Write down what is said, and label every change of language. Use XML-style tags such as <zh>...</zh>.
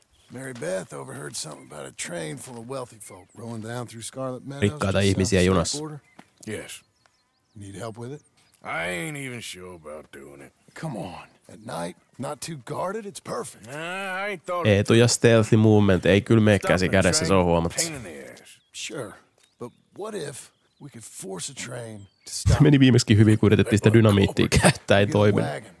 <en>Mary Beth overheard something about a train full of wealthy folk rolling down through Scarlet Meadows.</en> <fi>Rikkaita ihmisiä junassa.</fi> <en>Yes. Need help with it? I ain't even sure about doing it. Come on. At night, not too guarded, it's perfect. I thought.</en> <fi>Etu ja</fi> <en>stealthy movement</en> <fi>ei kyllä mene käsi kädessä, se on huomattu.</fi> <en>Sure. But what if we could force a train?</en> <fi>Se meni viimeksikin hyvin, kun yritettiin sitä dynamiittia käyttää, ei toiminut.</fi>